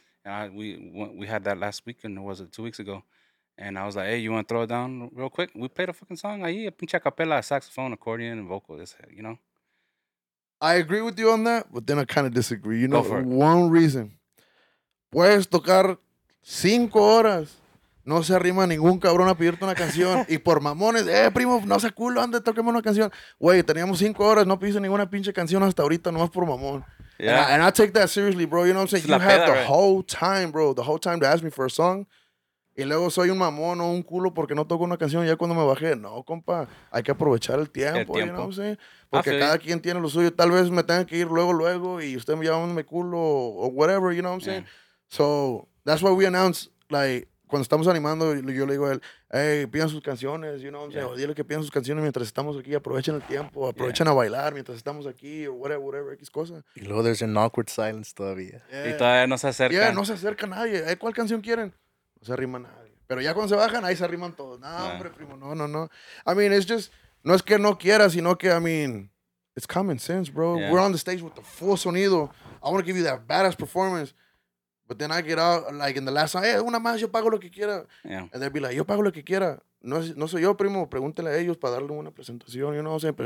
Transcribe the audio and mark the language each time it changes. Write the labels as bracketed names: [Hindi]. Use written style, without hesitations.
[English] And we had that last weekend. Or was it 2 weeks ago? And I was like, hey, you want to throw it down real quick? We played a fucking song. [Spanish] Ahí, a pinche a capela, [English] a saxophone, accordion, and vocals, you know? I agree with you on that, but then I kind of disagree. You know, for one reason. [Spanish] Puedes tocar 5 horas. no se arrima ningún cabrón a pedirte una canción. Y por mamones, primo, no sea culo, anda, toquemos una canción. Güey, teníamos 5 horas, no pediste ninguna pinche canción hasta ahorita, nomás por mamón. [English] Yeah. And I take that seriously, bro. You know what I'm saying? You have the whole time, bro. The whole time to ask me for a song. [Spanish] Y luego soy un mamón o un culo porque no toco una canción. Ya cuando me bajé, no, compa. Hay que aprovechar el tiempo. [English] You know what I'm saying? [Spanish] Porque cada quien tiene lo suyo. Tal vez me tenga que ir luego. Y usted me llama mi culo o whatever. [English] You know what I'm saying? So, that's why we announce, [Spanish] like, cuando estamos animando, yo le digo a él, pidan sus canciones, you know what I'm saying? Dile que pidan sus canciones mientras estamos aquí, aprovechen el tiempo, aprovechen a bailar mientras estamos aquí, [English] or whatever, [Spanish] X cosa. [English] Y luego there's an awkward silence todavía. Yeah. [Spanish] Y todavía no se acerca. Yeah, no se acerca nadie. ¿Cuál canción quieren? No se arrima nadie. Pero ya cuando se bajan, ahí se arriman todos. No, hombre, primo, no. [English] I mean, it's just, [Spanish] no es que no quiera, sino que, [English] I mean, it's common sense, bro. Yeah. We're on the stage with the full sonido. I want to give you that badass performance. But then I get out, like, in the last song, [Spanish] una más, yo pago lo que quiera. [English] Yeah. And they'd be like, [Spanish] yo pago lo que quiera. No soy yo, primo. Pregúntele a ellos para darle una presentación, you know, siempre.